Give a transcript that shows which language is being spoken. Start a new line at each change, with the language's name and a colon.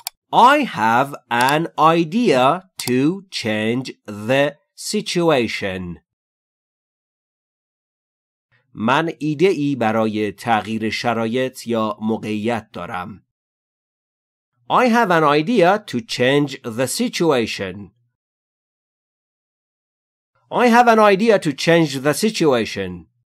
English: I have an idea to change the situation.
Persian: من ایده ای برای تغییر شرایط یا موقعیت دارم.
English: I have an idea to change the situation. I have an idea to change the situation.